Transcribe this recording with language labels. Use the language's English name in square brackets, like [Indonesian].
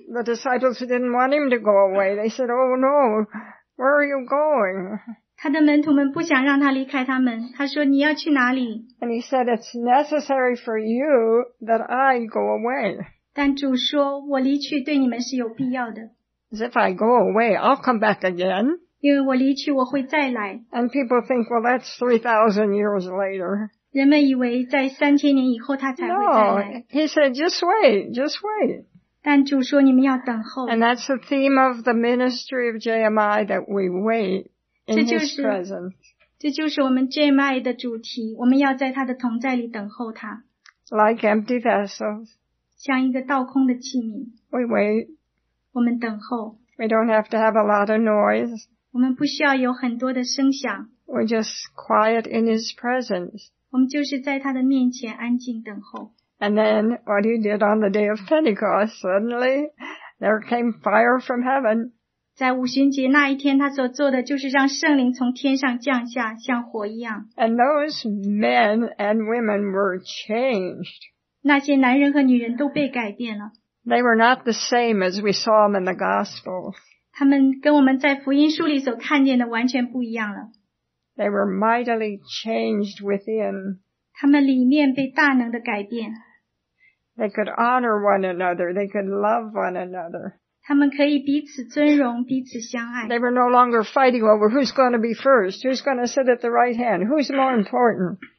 [English] The disciples didn't want Him to go away. They said, oh no, where are you going? [Chinese] 他的门徒们不想让他离开他们,他说,你要去哪里? [English] And He said, it's necessary for you that I go away. [Chinese] 但主说,我离去对你们是有必要的。 [English] As if I go away, I'll come back again. [Chinese] 因为我离去,我会再来。 [English] And people think, well, that's 3,000 years later. [Chinese] 人们以为在3000年以后他才会再来。 [English] No, he said, just wait, just wait. [Chinese] 但主说你们要等候。 [English] And that's the theme of the ministry of JMI, that we wait in his presence. [Chinese] 这就是我们JMI的主题, 我们要在他的同在里等候他。 [English] Like empty vessels. [Chinese] 像一个倒空的器皿。 [English] We wait. [Chinese] 我们等候。 [English] We don't have to have a lot of noise. [Chinese] 我们不需要有很多的声响。 [English] We're just quiet in His presence. [Chinese] 我们就是在他的面前安静等候。 [English] And then what He did on the day of Pentecost, suddenly there came fire from heaven. [Chinese] 在五旬节那一天他所做的就是让圣灵从天上降下像火一样。 [English] And those men and women were changed. [Chinese] 那些男人和女人都被改变了。 [English] They were not the same as we saw them in the Gospels. [Chinese] 他们跟我们在福音书里所看见的完全不一样了。 [English] They were mightily changed within. [Chinese] 他们里面被大能的改变。 [English] They could honor one another. They could love one another. [Chinese] 他们可以彼此尊荣,彼此相爱。 [English] They were no longer fighting over who's going to be first, who's going to sit at the right hand, who's more important.